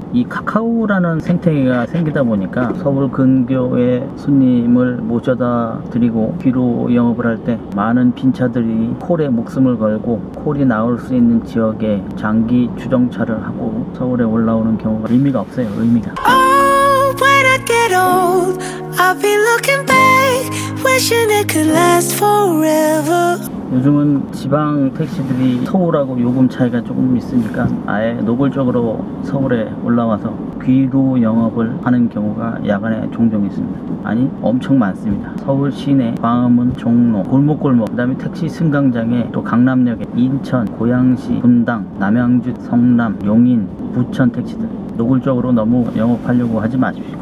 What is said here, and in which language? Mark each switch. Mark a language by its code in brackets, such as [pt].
[ko] 이 카카오라는 생태계가 생기다 보니까 서울 근교에 손님을 모셔다 드리고 뒤로 영업을 할 때 많은 빈차들이 콜에 목숨을 걸고 콜이 나올 수 있는 지역에 장기 주정차를 하고 서울에 올라오는 경우가 의미가 없어요. 의미가. [en] Oh, when I get old, I'll be looking back, wishing it could last forever. [ko] 요즘은 지방 택시들이 서울하고 요금 차이가 조금 있으니까 아예 노골적으로 서울에 올라와서 귀로 영업을 하는 경우가 야간에 종종 있습니다. 아니 엄청 많습니다. 서울 시내 광화문 종로 골목골목 그다음에 택시 승강장에 또 강남역에 인천 고양시 분당 남양주 성남 용인 부천 택시들 노골적으로 너무 영업하려고 하지 마십시오.